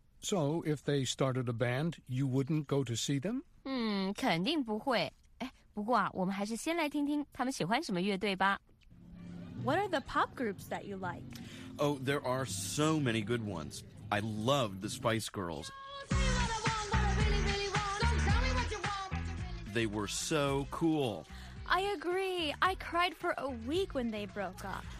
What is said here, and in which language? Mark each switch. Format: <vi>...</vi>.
<en>So if they started a band, you wouldn't go to see them?</en> <zh>肯定不会。哎，不过啊，我们还是先来听听他们喜欢什么乐队吧。</zh> <en>What are the pop groups that you like? Oh, there are so many good ones. I love the Spice Girls. They were so cool. I agree. I cried for a week when they broke up.</en>